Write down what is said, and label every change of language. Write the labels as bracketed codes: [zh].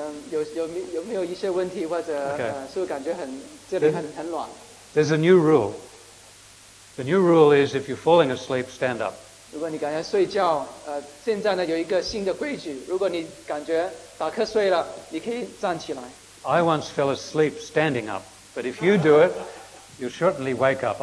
[zh] 有没有一些问题或者感觉很这里很暖? [en] There's a new rule. The new rule is if you're falling asleep, stand up. [zh] 如果你感觉睡觉，现在呢有一个新的规矩，如果你感觉打瞌睡了，你可以站起来。 [en] I once fell asleep standing up, but if you do it, you'll certainly wake up.